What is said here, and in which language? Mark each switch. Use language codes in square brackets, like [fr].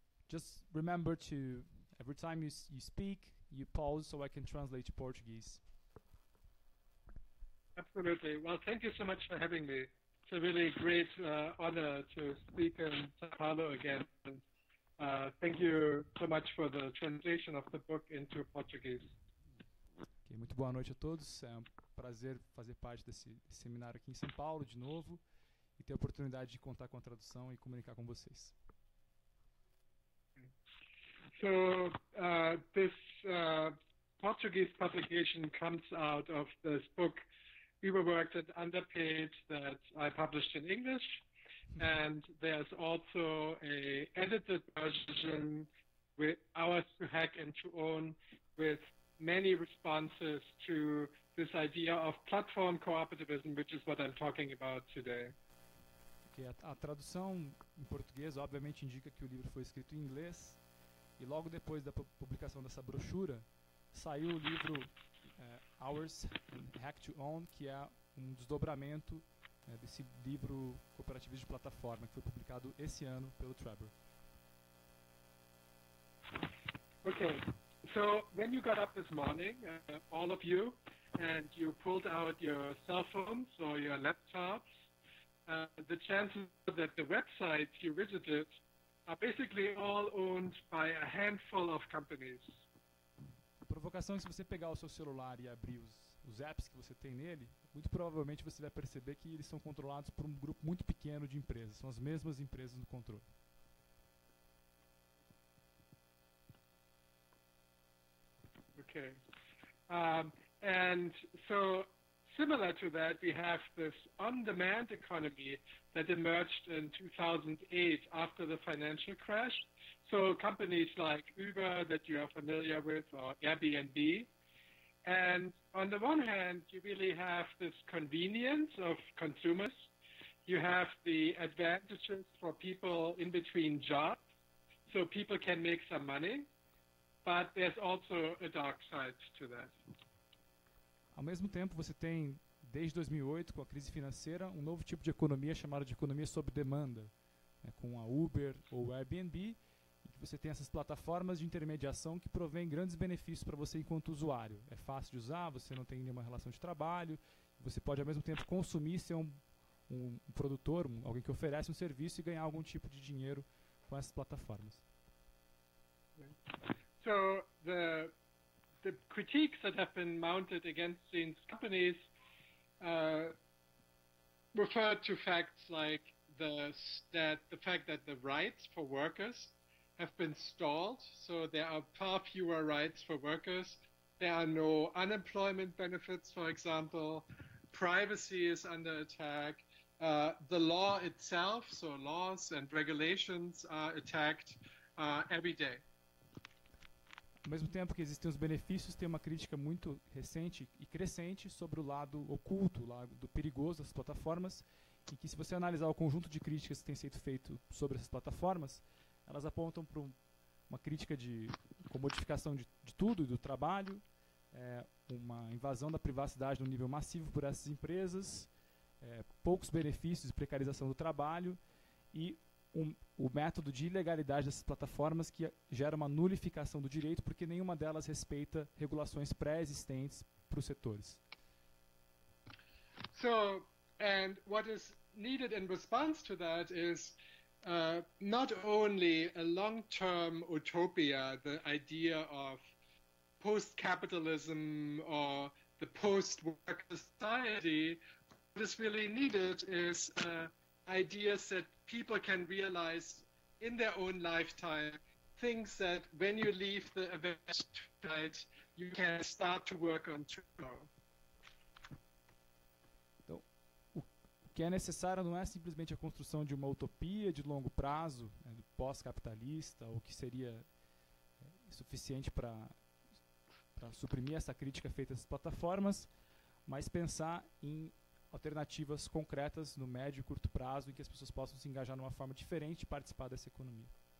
[en] Just remember to, every time you speak, you pause so I can translate to Portuguese. Absolutely. Well, thank you so much for having me. It's a really great honor to speak in São Paulo again. Thank you so much for the translation of the book into Portuguese. [pt] Okay, muito boa noite a todos. É um prazer fazer parte desse seminário aqui em São Paulo de novo e ter a oportunidade de contar com a tradução e comunicar com vocês. [en] So, this Portuguese publication comes out of this book Überworked and Underpaid that I published in English, and there's also a edited version with Ours to Hack and to Own with many responses to this idea of platform cooperativism, which is what I'm talking about today. [pt] Okay, a tradução em português obviamente indica que o livro foi escrito em inglês, e logo depois da publicação dessa brochura, saiu o livro Ours Hack to Own, que é um desdobramento desse livro cooperativismo de plataforma, que foi publicado esse ano pelo Trevor. Okay. [en] So when you got up this morning, all of you, and you pulled out your cell phones or your laptops, the chances that the websites you visited are basically all owned by a handful of companies. [pt] A provocação é que se você pegar o seu celular e abrir os apps que você tem nele, muito provavelmente você vai perceber que eles são controlados por um grupo muito pequeno de empresas. São as mesmas empresas no controle. Okay. [en] And so similar to that, we have this on-demand economy that emerged in 2008 after the financial crash. So companies like Uber that you are familiar with, or Airbnb. And on the one hand, you really have this convenience of consumers. You have the advantages for people in between jobs, so people can make some money. But there's also a dark side to that. [pt] Ao mesmo tempo, você tem, desde 2008, com a crise financeira, um novo tipo de economia chamado de economia sob demanda, né, com a Uber ou Airbnb, e que você tem essas plataformas de intermediação que provêm grandes benefícios para você enquanto usuário. É fácil de usar, você não tem nenhuma relação de trabalho, você pode, ao mesmo tempo, consumir, ser um produtor, alguém que oferece um serviço e ganhar algum tipo de dinheiro com essas plataformas. [en] So, the critiques that have been mounted against these companies refer to facts like the fact that the rights for workers have been stalled, so there are far fewer rights for workers, there are no unemployment benefits, for example, privacy is under attack, the law itself, so laws and regulations are attacked every day. [pt] Ao mesmo tempo que existem os benefícios, tem uma crítica muito recente e crescente sobre o lado oculto, o lado perigoso das plataformas, e que se você analisar o conjunto de críticas que tem sido feito sobre essas plataformas, elas apontam para uma crítica de comodificação de tudo, do trabalho, uma invasão da privacidade no nível massivo por essas empresas, poucos benefícios e precarização do trabalho, e o método de ilegalidade dessas plataformas que gera uma nulificação do direito porque nenhuma delas respeita regulações pré-existentes para os setores. [en] So, and what is needed in response to that is not only a long-term utopia, the idea of post-capitalism or the post-work society. What is really needed is ideas that people can realize in their own lifetime, things that when you leave the event tonight, you can start to work on tomorrow. [pt] Então, o que é necessário não é simplesmente a construção de uma utopia de longo prazo, pós-capitalista, ou que seria suficiente para suprimir essa crítica feita às plataformas, mas pensar em alternativas concretas no médio e curto prazo em que as pessoas possam se engajar de uma forma diferente e participar dessa economia.